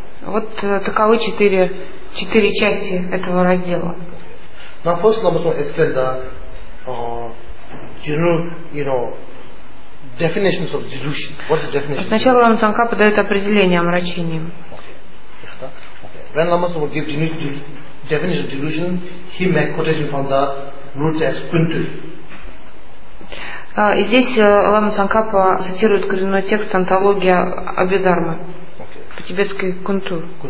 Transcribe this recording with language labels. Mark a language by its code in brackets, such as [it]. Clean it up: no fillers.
[ru] Вот таковы четыре части этого раздела. [en] Now first let me explain the general, you know, definitions of delusion. What's the definition? [ru] Сначала Лама Цонгпа дает определение омрачениям. [en] Okay. When Lama Tsongkhapa gives definition of delusion, he makes quotation from the roots as quintu. [ru] И здесь Лама Цонгкапа цитирует коренной текст антологии Абхидхармы по тибетской кунту.